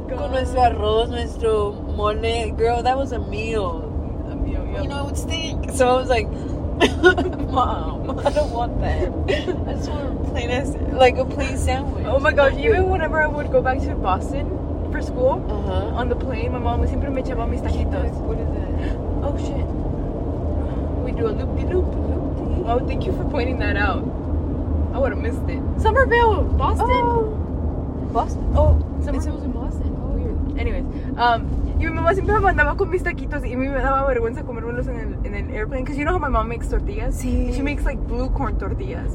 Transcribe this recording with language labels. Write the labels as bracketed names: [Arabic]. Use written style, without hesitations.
[Spanish] Nuestro arroz, nuestro mole. [English] Girl, that was a meal. A meal, yeah. You know, it would stink. So I was like, Mom, I don't want that. I just want a plain sandwich. Oh my gosh, even whenever I would go back to Boston for school, uh-huh. On the plane, my mom would [Spanish] siempre me echaba mis taquitos. [English] What is it? Oh shit. We do a loop de loop. Oh, thank you for pointing that out. I would have missed it. Somerville, Boston. Boston? Oh, it was in Boston. [Spanish] Anyways, y mi mamá siempre me mandaba con mis taquitos y me daba vergüenza comérmelos en el airplane. [English] Because you know how my mom makes tortillas? [Spanish] Sí. [English] She makes like blue corn tortillas.